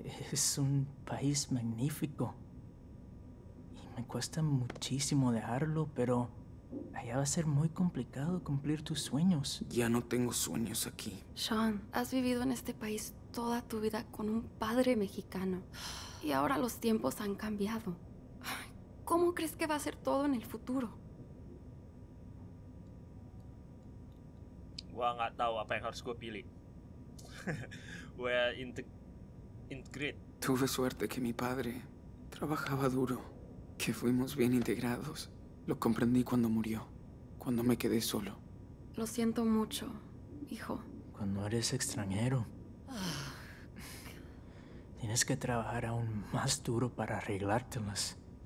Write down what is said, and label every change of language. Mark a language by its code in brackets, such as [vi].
[es] Es un país magnífico. Y me cuesta muchísimo dejarlo, pero allá va a ser muy complicado cumplir tus sueños. Ya no tengo sueños aquí. Sean, has vivido en este país toda tu vida con un padre mexicano. Y ahora los tiempos han cambiado. ¿Cómo crees que va a ser todo en el futuro? [id] Gua nggak tahu apa yang harus gua pilih. [en] Integrate. [es] Tuve suerte que mi padre trabajaba duro, que fuimos bien integrados. Lo comprendí cuando murió, cuando me quedé solo. Lo siento mucho, hijo. Cuando eres extranjero, tienes que trabajar aún más duro para arreglártelas.